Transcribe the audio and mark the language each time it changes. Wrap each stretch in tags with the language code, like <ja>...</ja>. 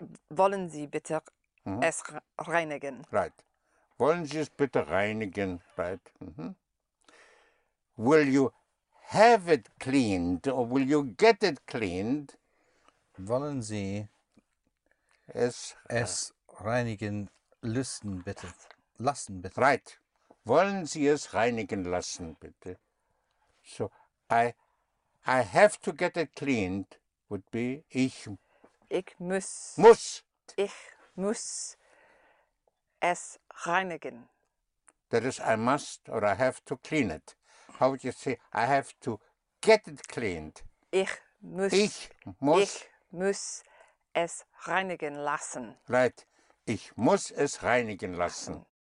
<de>Wollen Sie bitte es reinigen?</de> <en>Right.</en> <de>Wollen Sie es bitte reinigen?</de> <en>Right. Mm-hmm. Will you have it cleaned or will you get it cleaned?</en> <de>Wollen Sie es reinigen lassen bitte? Lassen bitte.</de> <en>Right.</en> <de>Wollen Sie es reinigen lassen bitte?</de> <en>So, I have to get it cleaned would be</en> <de>ich muss es reinigen.</de> <en>That is, I must or I have to clean it. How would you say I have to get it cleaned?</en> <de>Ich muss es reinigen lassen.</de> <en>Right.</en> <de>Ich muss es reinigen lassen.</de>